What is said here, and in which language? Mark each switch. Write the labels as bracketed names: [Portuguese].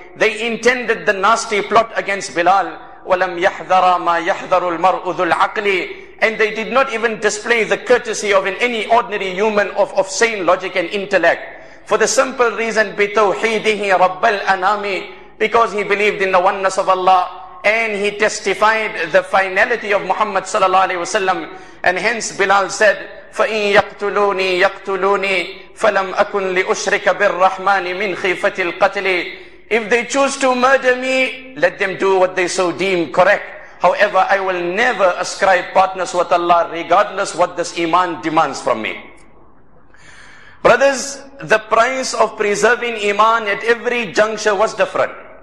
[English] They intended the nasty plot against Bilal. [Arabic] Walam yahdara ma yahdaru al-mar'u dhul-aqli. [English] And they did not even display the courtesy of any ordinary human of sane logic and intellect. For the simple reason, [Arabic] bi tawhidihi rabbal anami, [English] because he believed in the oneness of Allah. And he testified the finality of Muhammad sallallahu alaihi wasallam. And hence Bilal said, [Arabic] فَإِن يَقْتُلُونِي يَقْتُلُونِي فَلَمْ أَكُنْ لِأُشْرِكَ بِالرَّحْمَانِ مِنْ خِيفَةِ الْقَتْلِ. [English] If they choose to murder me, let them do what they so deem correct. However, I will never ascribe partners with Allah, regardless what this iman demands from me. Brothers, the price of preserving iman at every juncture was different.